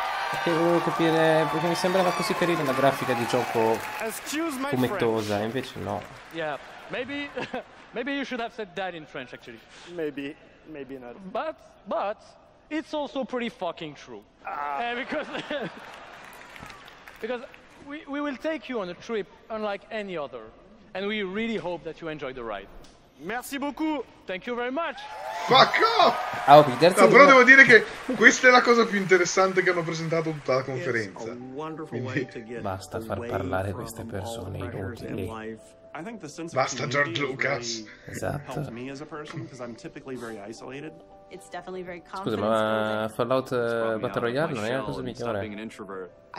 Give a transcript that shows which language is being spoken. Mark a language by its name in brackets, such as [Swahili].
[Italian] Perché volevo capire, perché mi sembrava così carina la grafica di gioco fumettosa, invece no. [English] Yeah, maybe you should have said that in French actually. Maybe not. But it's also pretty fucking true. Ah. Because we will take you on a trip unlike any other, and we really hope that you enjoy the ride. [French] Merci beaucoup. [English] Thank you very much. Fuck off. [Italian] No, però devo dire che questa è la cosa più interessante che hanno presentato tutta la conferenza. Quindi... basta far parlare queste persone inutili. Basta George Lucas. Esatto. Scusa, ma Fallout Battle Royale non è la cosa migliore?